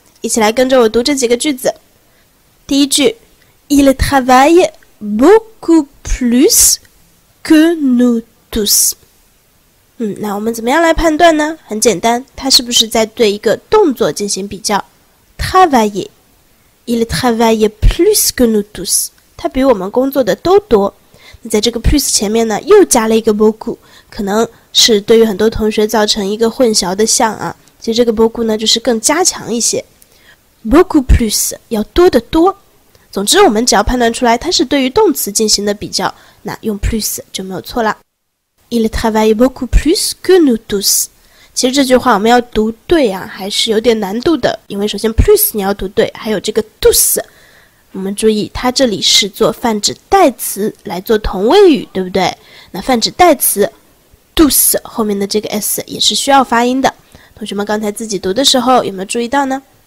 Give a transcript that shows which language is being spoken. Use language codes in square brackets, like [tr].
[zh] 一起来跟着我读这几个句子。第一句 ： [fr] Il travaille beaucoup plus que nous tous。 [zh] 那我们怎么样来判断呢？很简单，他是不是在对一个动作进行比较 ？Travaille。 [fr] Il travaille plus que nous tous， [zh] 他比我们工作的都多。那在这个 plus 前面呢，又加了一个 beaucoup， 可能是对于很多同学造成一个混淆的象啊。其实这个 beaucoup 呢，就是更加强一些， beaucoup plus 要多得多。总之，我们只要判断出来它是对于动词进行的比较，那用 plus 就没有错了。 [fr] Il travaille beaucoup plus que nous tous。 [zh] 其实这句话我们要读对啊，还是有点难度的，因为首先 plus 你要读对，还有这个 tous， 我们注意它这里是做泛指代词来做同位语，对不对？那泛指代词 tous 后面的这个 s 也是需要发音的，同学们刚才自己读的时候有没有注意到呢？